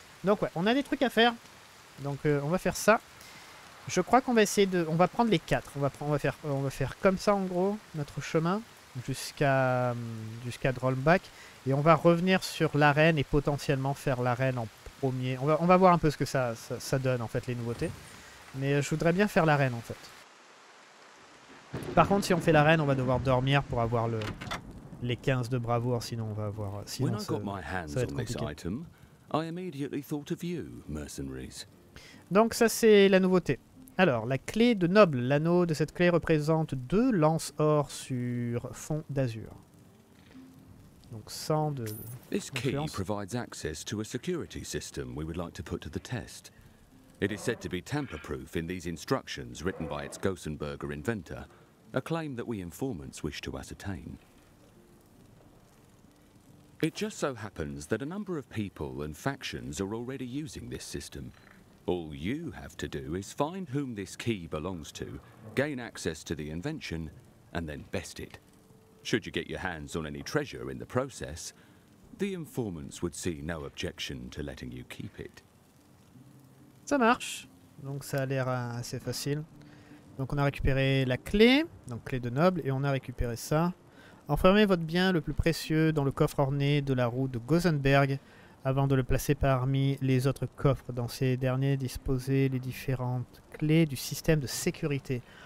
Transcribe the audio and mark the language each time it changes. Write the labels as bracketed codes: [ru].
[fr] Donc ouais, on a des trucs à faire, donc on va faire ça, je crois qu'on va essayer de, on va prendre les 4, on va faire comme ça en gros, notre chemin, jusqu'à Drollback, et on va revenir sur l'arène et potentiellement faire l'arène en premier, on va voir un peu ce que ça donne en fait les nouveautés, mais je voudrais bien faire l'arène en fait. Par contre si on fait l'arène, on va devoir dormir pour avoir les 15 de bravoure, sinon on va avoir, sinon ça va être compliqué. [en] I immediately thought of you, mercenaries. [fr] Donc ça c'est la nouveauté. Alors, la clé de noble, l'anneau de cette clé représente 2 lances or sur fond d'azur. Donc 100 de [en] This key provides access to a security system we would like to put to the test. It is said to be tamper-proof in these instructions written by its Gossenberger inventor, a claim that we informants wish to ascertain. It just so happens that a number of people and factions are already using this system. All you have to do is find whom this key belongs to, gain access to the invention, and then best it. Should you get your hands on any treasure in the process, the informants would see no objection to letting you keep it. [fr] Ça marche. Donc ça a l'air assez facile. Donc on a récupéré la clé, donc clé de noble, et on a récupéré ça. Enfermez votre bien le plus précieux dans le coffre orné de la roue de Gossenberg avant de le placer parmi les autres coffres. Dans ces derniers, disposez les différentes clés du système de sécurité.